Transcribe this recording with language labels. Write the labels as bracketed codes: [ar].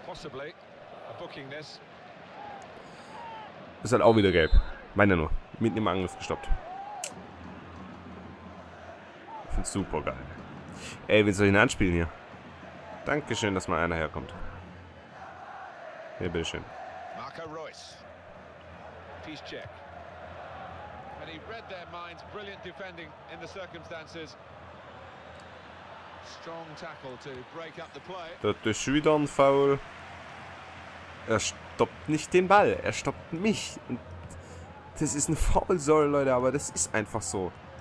[en] Possibly a booking this. [de] Ist halt auch wieder gelb. Meine nur. Mitten im Angriff gestoppt. Ich find's super geil. Ey, willst du ihn anspielen hier? Dankeschön, dass mal einer herkommt. Ja, bitteschön. Marco Reus. Peace check. [en] And he read their minds. Brilliant defending in the circumstances. Strong tackle to break up the play. [de] Das ist wieder ein Foul. Er stoppt nicht den Ball. Er stoppt mich. Und das ist ein Foul, sorry Leute, aber das ist einfach so.